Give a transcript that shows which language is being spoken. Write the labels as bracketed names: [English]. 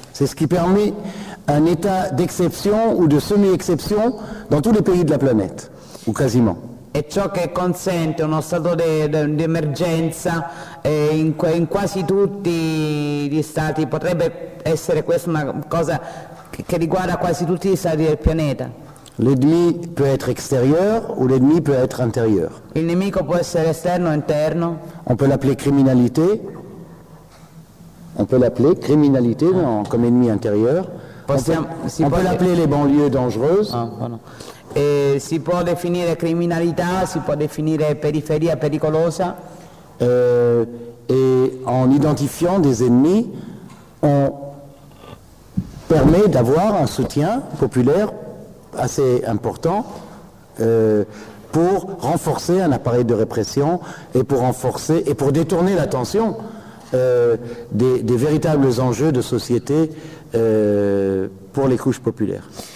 [French] C'est ce qui permet un état d'exception ou de semi-exception dans tous les pays de la planète, ou quasiment. [Italian] È ciò che consente uno stato di emergenza in quasi tutti gli stati. Potrebbe essere questa una cosa che riguarda quasi tutti gli stati del pianeta. [French] L'ennemi peut être extérieur ou l'ennemi peut être intérieur. [Italian] Il nemico può essere esterno o interno. [French] On peut l'appeler criminalité. on peut l'appeler criminalité comme ennemi intérieur. On peut l'appeler les banlieues dangereuses. Et si on peut définir la criminalité, si on peut définir la périphérie pericolosa. Et en identifiant des ennemis, on permet d'avoir un soutien populaire assez important pour renforcer un appareil de répression et pour renforcer et pour détourner l'attention des véritables enjeux de société pour les couches populaires.